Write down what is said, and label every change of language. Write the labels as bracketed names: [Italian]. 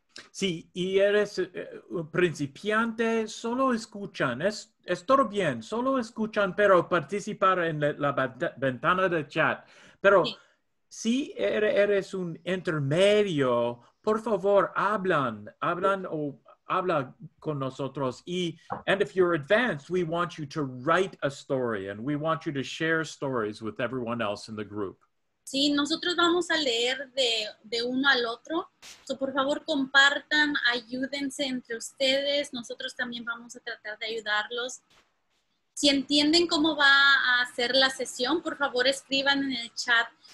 [Spanish] Sí, y eres principiante, solo escuchan, es todo bien, solo escuchan, pero participar en la ventana de chat. Pero sí. Si eres un intermedio, por favor, hablan sí. O habla con nosotros. [English] And if you're advanced, we want you to write a story and we want you to share stories with everyone else in the group. [Spanish] Sí, nosotros vamos a leer de uno al otro. So, por favor, compartan, ayúdense entre ustedes. Nosotros también vamos a tratar de ayudarlos. Si entienden cómo va a ser la sesión, por favor, escriban en el chat.